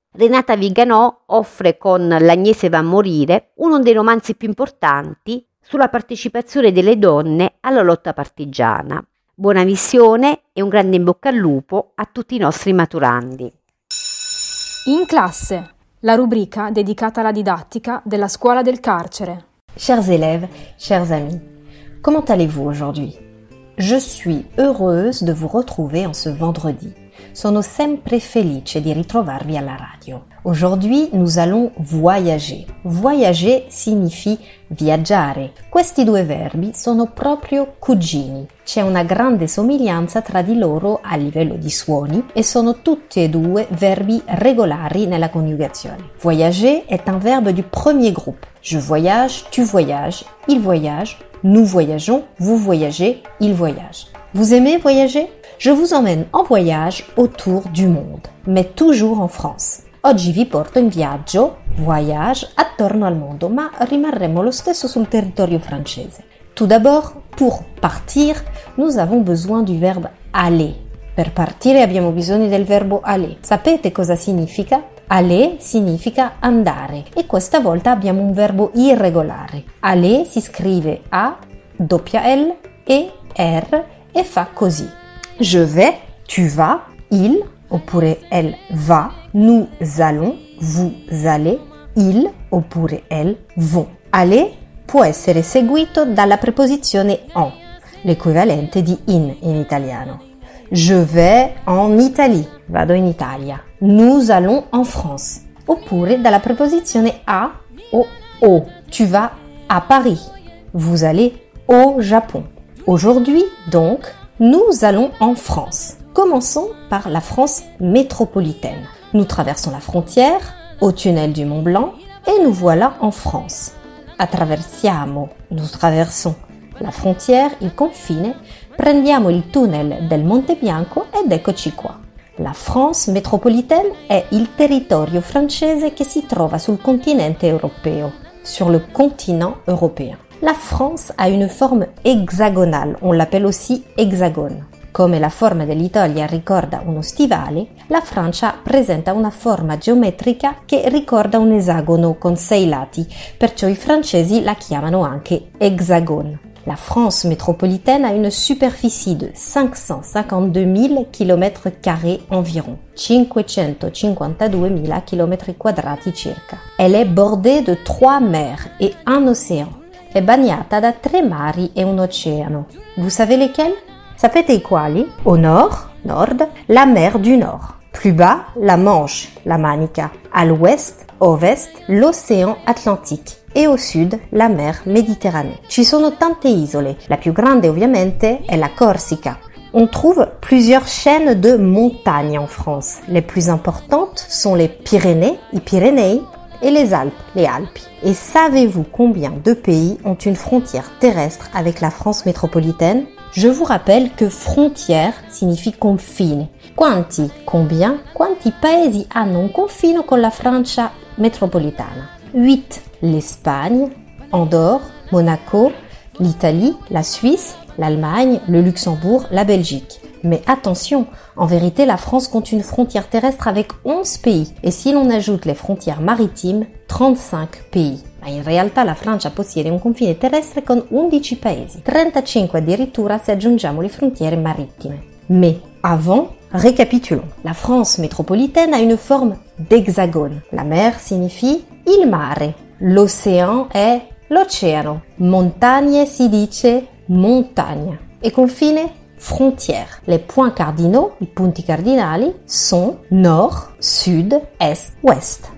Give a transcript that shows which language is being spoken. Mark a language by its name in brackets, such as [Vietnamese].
[Italian] Renata Viganò offre con L'Agnese va a morire uno dei romanzi più importanti sulla partecipazione delle donne alla lotta partigiana. Buona visione e un grande in bocca al lupo a tutti i nostri maturandi. In classe, la rubrica dedicata alla didattica della scuola del carcere. [French] Chers élèves, chers amis, comment allez-vous aujourd'hui? Je suis heureuse de vous retrouver en ce vendredi. [Italian] Sono sempre felice di ritrovarvi alla radio. [French] Aujourd'hui, nous allons voyager. Voyager signifie viaggiare. [Italian] Questi due verbi sono proprio cugini. C'è una grande somiglianza tra di loro a livello di suoni e sono tutti e due verbi regolari nella coniugazione. [French] Voyager est un verbe du premier groupe. Je voyage, tu voyages, il voyage. Nous voyageons, vous voyagez, ils voyagent. Vous aimez voyager? Je vous emmène en voyage autour du monde, mais toujours en France. [Italian] Oggi vi porto in viaggio, voyage, attorno al mondo, ma rimarremo lo stesso sul territorio francese. [French] Tout d'abord, pour partir, nous avons besoin du verbe aller. [Italian] Per partire abbiamo bisogno del verbo aller. Sapete cosa significa? Aller significa andare e questa volta abbiamo un verbo irregolare. Aller si scrive A, doppia L, E, R e fa così. [French] Je vais, tu vas, il oppure elle va, nous allons, vous allez, il oppure elle vont. [Italian] Aller può essere seguito dalla preposizione en, l'equivalente di in italiano. [French] Je vais en Italie, [Italian] vado in Italia. [French] Nous allons en France. [Italian] Oppure dalla preposizione a o au. [French] Tu vas à Paris. Vous allez au Japon. Aujourd'hui, donc, nous allons en France. Commençons par la France métropolitaine. Nous traversons la frontière, au tunnel du Mont Blanc et nous voilà en France. [Italian] Attraversiamo, [French] nous traversons la frontière, [Italian] il confine, prendiamo il tunnel del Monte Bianco ed eccoci qua. [French] La France métropolitaine est [Italian] il territorio francese che si trova sul continente europeo, [French] sur le continent européen. La France a une forme hexagonale, on l'appelle aussi hexagone. [Italian] Come la forma dell'Italia ricorda uno stivale, la Francia presenta una forma geometrica che ricorda un esagono con sei lati, perciò i francesi la chiamano anche hexagone. [French] La France métropolitaine a une superficie de 552 000 km² environ, 552 000 km² circa. Elle est bordée de trois mers et un océan. [Italian] È bagnata da tre mari e un oceano. [French] Vous savez lesquels? [Italian] Sapete i quali? [French] Au nord, nord, la mer du nord. Plus bas, la Manche, la Manica. À l'ouest, ovest, l'océan Atlantique. E au sud, la mer Méditerranée. [Italian] Ci sono tante isole. La più grande, ovviamente, è la Corsica. [French] On trouve plusieurs chaînes de montagnes en France. Les plus importantes sont les Pyrénées, i Pirenei, et les Alpes, les Alpi. Et savez-vous combien de pays ont une frontière terrestre avec la France métropolitaine? Je vous rappelle que frontière signifie confine. [Italian] Quanti, combien, quanti paesi hanno un confine con la Francia metropolitana? 8. [French] L'Espagne, Andorre, Monaco, l'Italie, la Suisse, l'Allemagne, le Luxembourg, la Belgique. Mais attention, en vérité, la France compte une frontière terrestre avec 11 pays. Et si l'on ajoute les frontières maritimes, 35 pays. [Italian] Ma in realtà la Francia possiede un confine terrestre con 11 paesi. 35 addirittura se aggiungiamo le frontiere marittime. [French] Mais avant, récapitulons. La France métropolitaine a une forme d'hexagone. La mer signifie il mare. L'océan est l'oceano. [Italian] Montagne si dice montagne. Et confine? Frontière. [French] Les points cardinaux, [Italian] i punti cardinali, [French] sont nord, sud, est, ouest.